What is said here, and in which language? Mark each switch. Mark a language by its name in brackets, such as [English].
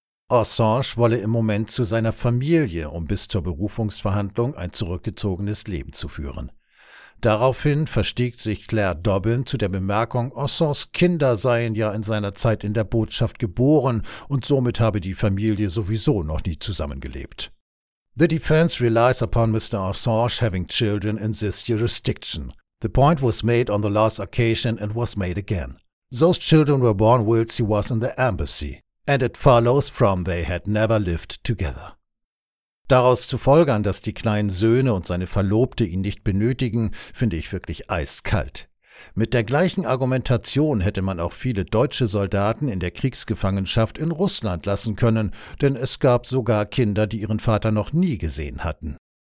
[German] Assange wolle im Moment zu seiner Familie, um bis zur Berufungsverhandlung ein zurückgezogenes Leben zu führen. Daraufhin verstieg sich Claire Dobbin zu der Bemerkung, Assanges Kinder seien ja in seiner Zeit in der Botschaft geboren und somit habe die Familie sowieso noch nie zusammengelebt. [English] The defense relies upon Mr. Assange having children in this jurisdiction. The point was made on the last occasion and was made again. Those children were born whilst he was in the embassy. And it follows from they had never lived together. [German] Daraus zu folgern, dass die kleinen Söhne und seine Verlobte ihn nicht benötigen, finde ich wirklich eiskalt. Mit der gleichen Argumentation hätte man auch viele deutsche Soldaten in der Kriegsgefangenschaft in Russland lassen können, denn es gab sogar Kinder, die ihren Vater noch nie gesehen hatten.